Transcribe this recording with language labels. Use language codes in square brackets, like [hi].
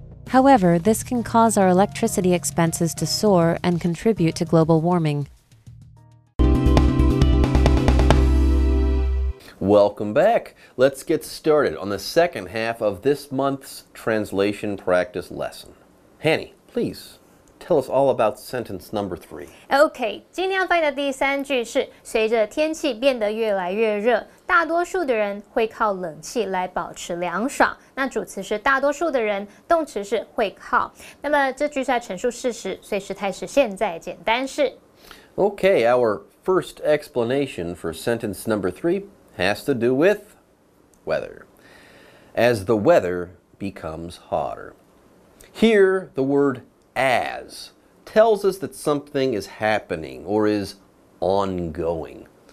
[en] However, this can cause our electricity expenses to soar and contribute to global warming. Welcome back. Let's get started on the second half of this month's translation practice lesson. Hanny, please, tell us all about sentence number three. [zh] Okay, 今天要翻译的第三句是随着天气变得越来越热大多数的人会靠冷气来保持凉爽。那主词是大多数的人，动词是会靠。那么这句是在陈述事实，所以时态是现在简单式。 [en] Okay, our first explanation for sentence number three has to do with weather. As the weather becomes hotter. Here, the word as tells us that something is happening or is ongoing.